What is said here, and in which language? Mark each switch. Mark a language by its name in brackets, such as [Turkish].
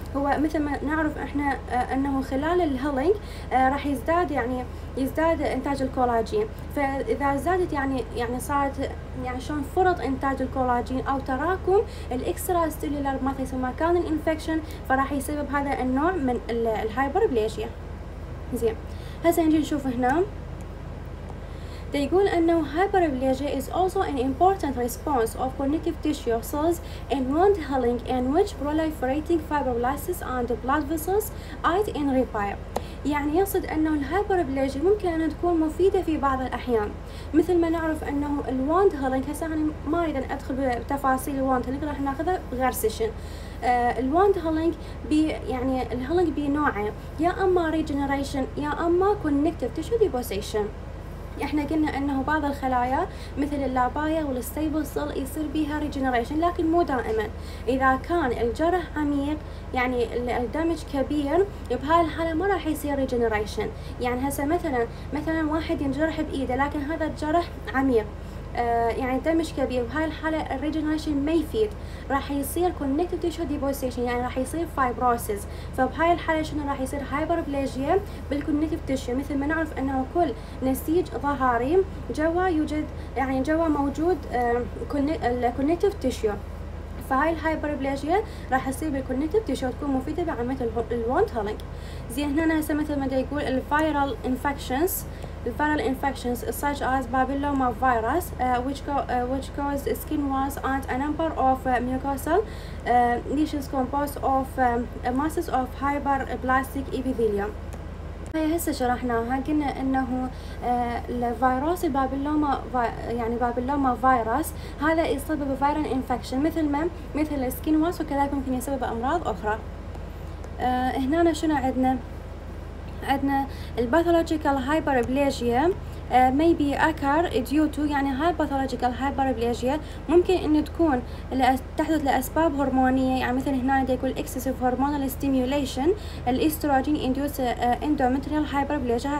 [Arabic] هو مثل ما نعرف احنا انه خلال الهيلينج راح يزداد يعني يزداد انتاج الكولاجين، فاذا زادت يعني صارت يعني شلون فرط انتاج الكولاجين او تراكم الاكسترا سيلولار ماتريس في مكان الانفكشن، فراح يسبب هذا النوع من الهايبربليجيا. زين هسه نجي نشوف هنا تقول انه [English] hyperplasia is also an important response of connective tissue cells in wound healing in which proliferating fibroblasts and blood vessels aid in repair. [Arabic] يعني يقصد أنه الهايبربلاجيا ممكن أن تكون مفيدة في بعض الأحيان، مثل ما نعرف أنه الواند هيلينج. هسه أنا ما أريد أن أدخل بتفاصيل الواند هيلينج، راح نأخذها غير سيشن. الواند هيلينج يعني الهيلينج بنوعين، يا أما ريجنريشن يا أما كونكتيف تشو ديبوسيشن. احنا قلنا انه بعض الخلايا مثل اللابايا والستيبل سيل يصير بيها ريجنريشن، لكن مو دائما. اذا كان الجرح عميق يعني الدمج كبير، بهاي الحالة ما راح يصير ريجنريشن. يعني هسه مثلا واحد ينجرح بايده، لكن هذا الجرح عميق يعني دمج كبير، بهاي الحالة الريجنريشن ما يفيد، راح يصير كونكتيف تيشو ديبوسيشن، يعني راح يصير فايبروسيس. فبهاي الحالة شنو راح يصير؟ هايبربلاجيا بالكونكتيف تيشو. مثل ما نعرف انه كل نسيج ظهري جوا يوجد، يعني جوا موجود الكونكتيف تيشو، فهاي الهايبربلاجيا راح يصير بالكونكتيف تيشو، تكون مفيدة بعملية الواند هيلينج. زين، هنا هسه مثل ما يقول [English] الفايرال infections, viral infections such as papilloma virus which cause skin walls and a number of mucosal lesions composed of masses of hyperplastic epithelium. [Arabic] هي هسه شرحناها، قلنا انه الفيروس البابيلوما يعني بابيلوما فيروس هذا يسبب viral infection مثل skin walls، وكذلك ممكن يسبب امراض اخرى. هنا شنو عندنا الباثولوجيكال هايبربلاجيا [English] may be occur due to، [Arabic] يعني هاي الباثولوجيكال هايبربلاجيا ممكن ان تكون تحدث لاسباب هرمونيه، يعني مثل هنا دا يقول اكسسيف هرمونال ستيميوليشن الاستروجين اندوس اندومتريال هايبربلاجيا.